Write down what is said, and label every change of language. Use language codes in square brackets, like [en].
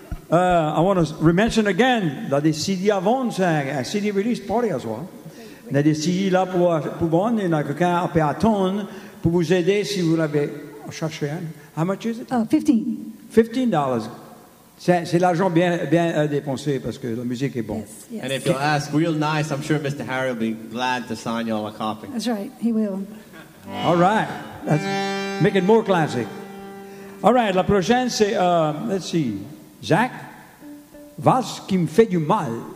[en] I want to re-mention again, [fr] il y a des CD à vendre, c'est un CD release party à soi. Il y a des CD là pour vendre, il y a quelqu'un à peut attendre pour vous aider si vous l'avez cherché. [en] How much is it? $15. [fr] C'est l'argent bien dépensé parce que la musique est bonne. [en] Yes, yes. And if you'll ask real nice, I'm sure Mr. Harry will be glad to sign y'all a copy. That's right, he will. All right, let's make it more classic. All right, [fr] la prochaine c'est, [en] let's see, [fr] Zach, Vase qui me fait du mal.